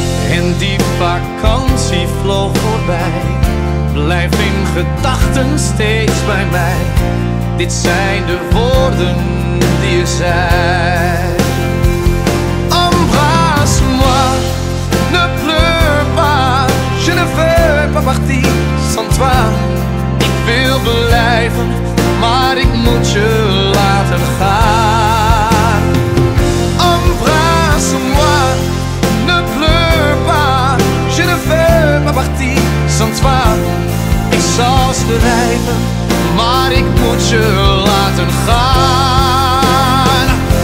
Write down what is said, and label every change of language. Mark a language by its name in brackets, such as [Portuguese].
[Dutch] En die vakantie vloog voorbij. Blijf in gedachten steeds bij mij. Dit zijn de woorden die je zei. [French] Embrasse-moi, ne pleure pas, je ne veux pas partir sans toi. [Dutch] Ik wil blijven, maar ik moet je laten gaan. [French] Embrasse-moi, ne pleure pas, je ne veux pas partir sans toi. [Dutch] Ik zal schrijven, maar ik moet je laten gaan.